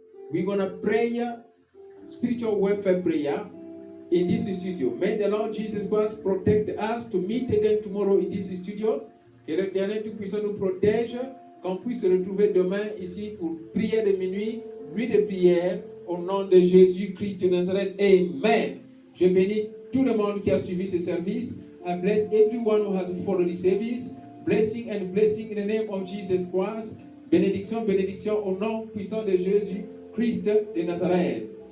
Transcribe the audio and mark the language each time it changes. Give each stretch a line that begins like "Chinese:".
English: We're going to pray spiritual warfare prayer in this studio. May the Lord Jesus Christ protect us to meet again tomorrow in this studio.
French: Que l'Éternel Tout-Puissant nous protège, qu'on puisse se retrouver demain ici pour prière de minuit, nuit de prière, au nom de Jésus-Christ de Nazareth. Amen. Je bénis tout le monde qui a suivi ce service.
English: I bless everyone who has followed the service. Blessing and blessing in the name of Jesus Christ.
French: Bénédiction, bénédiction au nom puissant de Jésus Christ de Nazareth.